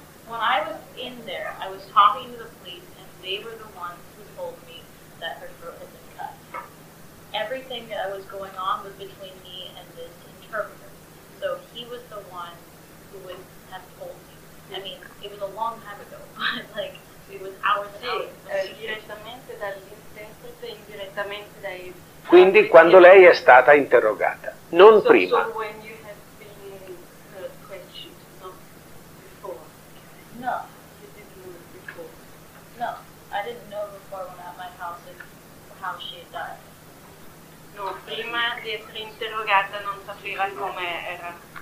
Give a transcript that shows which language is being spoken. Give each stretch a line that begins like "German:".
English: When I was in there, I was talking to the police and they were the ones who told me that her throat had been cut. Everything that was going on was between me and this interpreter. So he was the one who would have told me. I mean, it was a long time ago, but like, it was hours and hours.
Italian: Direttamente dall'interprete, indirettamente dai... Quindi quando lei è stata interrogata, non prima.
English: So when you have been questioned, not before. No, you didn't know it before. No, I didn't know before when at my house how she had died.
Italian: Prima di essere interrogata non sapeva come era.